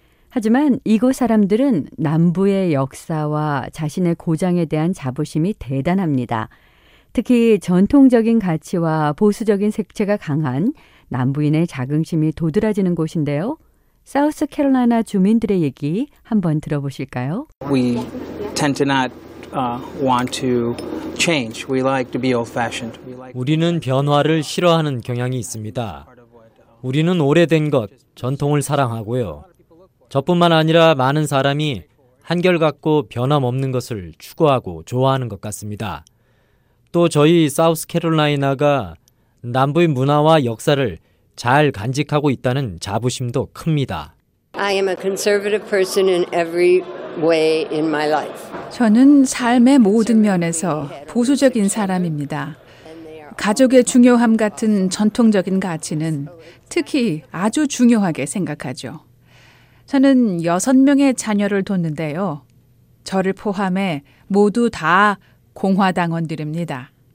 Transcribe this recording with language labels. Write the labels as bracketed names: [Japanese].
[Korean] 하지만 이곳 사람들은 남부의 역사와 자신의 고장에 대한 자부심이 대단합니다. 특히 전통적인 가치와 보수적인 색채가 강한 남부인의 자긍심이 도드라지는 곳인데요. 사우스 캐롤라이나 주민들의 얘기 한번 들어보실까요? [English] We tend to not want to change. We like to be old-fashioned. [Korean] 우리는 변화를 싫어하는 경향이 있습니다. 우리는 오래된 것, 전통을 사랑하고요. 저뿐만 아니라 많은 사람이 한결같고 변함없는 것을 추구하고 좋아하는 것 같습니다. 또 저희 사우스 캐롤라이나가 남부의 문화와 역사를 잘 간직하고 있다는 자부심도 큽니다. [English] I am a conservative person in every way in my life. [Korean] 저는 삶의 모든 면에서 보수적인 사람입니다. 가족의 중요함 같은 전통적인 가치는 특히 아주 중요하게 생각하죠. 저는 6명의 자녀를 뒀는데요. 저를 포함해 모두 다 공화당원들입니다.